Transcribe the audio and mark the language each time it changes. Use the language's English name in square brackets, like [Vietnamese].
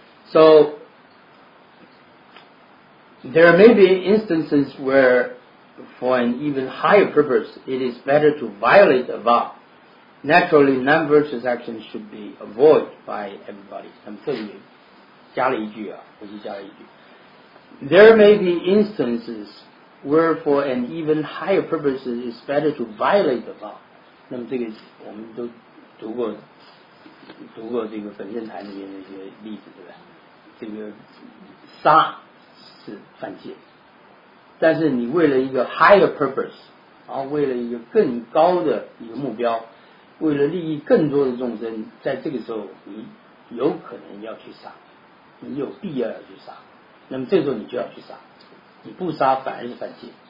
[English] So there may be instances where, for an even higher purpose, it is better to violate the vow. Naturally, non-virtuous actions should be avoided by everybody. [Chinese] 他们特别加了一句啊，我就加了一句。 [English] There may be instances where for an even higher purpose it is better to violate the law. [Chinese] 那么这个我们都读过这个焚圣台那边的一些例子，对吧？这个杀是犯戒，但是你为了一个 [English] higher purpose， [Chinese] 然后为了一个更高的一个目标，为了利益更多的众生，在这个时候你有可能要去杀，你有必要要去杀，那么这时候你就要去杀，你不杀反而是犯戒。